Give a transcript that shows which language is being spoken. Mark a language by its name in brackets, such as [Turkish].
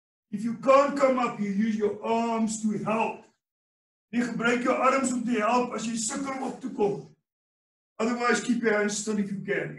[English] If you can't come up, you use your arms to help. [Afrikaans] Jy gebruik jou arms om te help as jy sukkel om op te kom. [English] Otherwise, keep your hands still if you can.